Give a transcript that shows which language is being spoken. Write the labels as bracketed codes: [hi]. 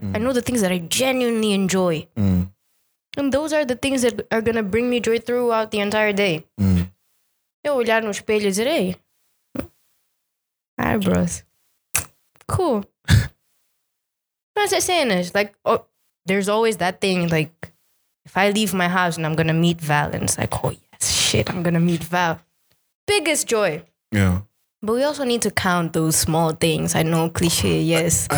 [en] I know the things that I genuinely enjoy. And those are the things that are going to bring me joy throughout the entire day. [pt] Eu olhar no espelho e dizer, [en] hey, eyebrows. Cool. [pt] Mas as cenas, [en] like, there's always that thing, like, if I leave my house and I'm going to meet Val, and it's like, oh, yes, shit, I'm going to meet Val. Biggest joy. Yeah. But we also need to count those small things. I know, cliche, yes.